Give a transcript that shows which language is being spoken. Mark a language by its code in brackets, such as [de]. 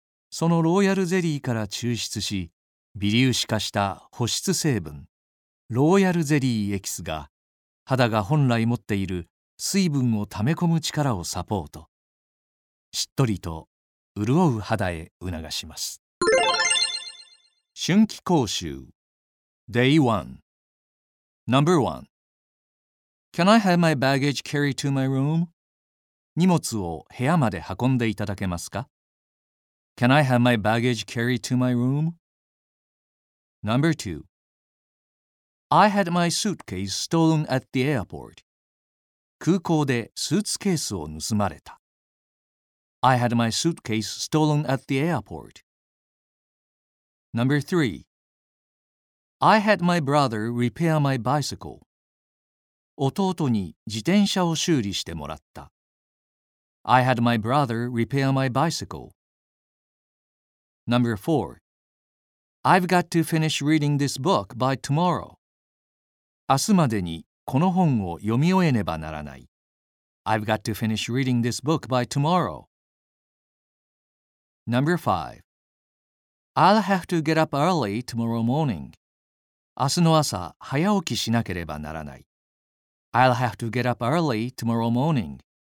[ja] そのローヤルゼリーから抽出し微粒子化した保湿成分ローヤルゼリーエキスが、肌が本来持っている水分を溜め込む力をサポート、しっとりと潤う肌へ促します。春季講習 [en] Day 1 Number 1。 Can I have my baggage carried to my room? [ja] 荷物を部屋まで運んでいただけますか? [en] Can I have my baggage carried to my room? Number 2. I had my suitcase stolen at the airport. [ja] 空港でスーツケースを盗まれた。 [en] I had my suitcase stolen at the airport. Number 3. I had my brother repair my bicycle. [ja] 弟に自転車を修理してもらった。 [en] I had my brother repair my bicycle. Number 4. I've got to finish reading this book by tomorrow. [ja] 明日までにこの本を読み終えねばならない。 [en] I've got to finish reading this book by tomorrow. Number 5. I'll have to get up early tomorrow morning. [ja] 明日の朝、早起きしなければならない。 [en] I'll have to get up early tomorrow morning.